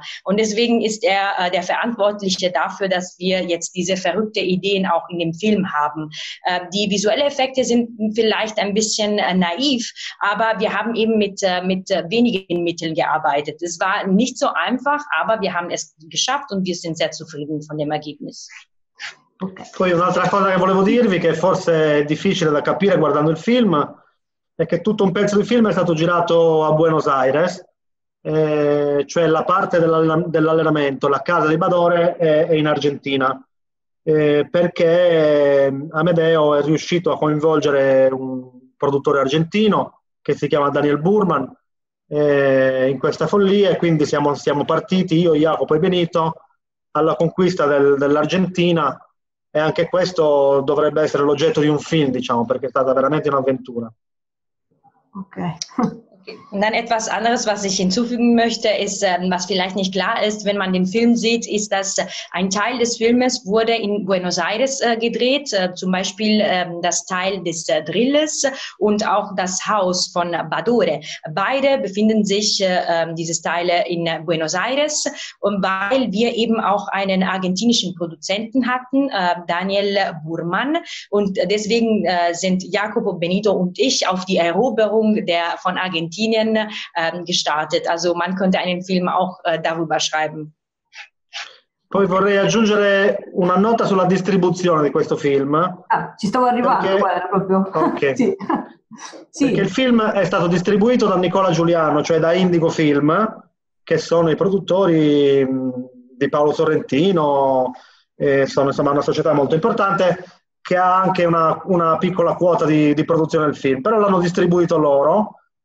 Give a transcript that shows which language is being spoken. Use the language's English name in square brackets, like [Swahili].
[German] Und deswegen ist er der Verantwortliche dafür, dass wir jetzt diese verrückten Ideen auch in dem Film haben. Die visuellen Effekte sind vielleicht ein bisschen naiv, aber wir haben eben mit wenigen Mitteln gearbeitet. Es war nicht so einfach, aber wir haben es geschafft und wir sind sehr zufrieden von dem Ergebnis. Okay. [Italian] Poi un'altra cosa che volevo dirvi, che forse è difficile da capire guardando il film, è che tutto un pezzo di film è stato girato a Buenos Aires, cioè la parte dell'allenamento, la casa di Badore è in Argentina, perché Amedeo è riuscito a coinvolgere un produttore argentino che si chiama Daniel Burman in questa follia, e quindi siamo partiti io, Jacopo e Benito alla conquista dell'Argentina, e anche questo dovrebbe essere l'oggetto di un film, diciamo, perché è stata veramente un'avventura. Ok. [German] Und dann etwas anderes, was ich hinzufügen möchte, ist, was vielleicht nicht klar ist, wenn man den Film sieht, ist, dass ein Teil des Filmes wurde in Buenos Aires gedreht, zum Beispiel das Teil des Drilles und auch das Haus von Badore. Beide befinden sich, diese Teile, in Buenos Aires, und weil wir eben auch einen argentinischen Produzenten hatten, Daniel Burman, und deswegen sind Jacopo, Benito und ich auf die Eroberung von Argentinien gestartet, also man könnte einen Film auch darüber schreiben. [Italian] Poi vorrei aggiungere una nota sulla distribuzione di questo film. Ah, ci stavo arrivando, perché... proprio. Ok. Sì. Sì. Perché il film è stato distribuito da Nicola Giuliano, cioè da Indigo Film, che sono i produttori di Paolo Sorrentino, e sono insomma una società molto importante che ha anche una piccola quota di produzione del film, però l'hanno distribuito loro.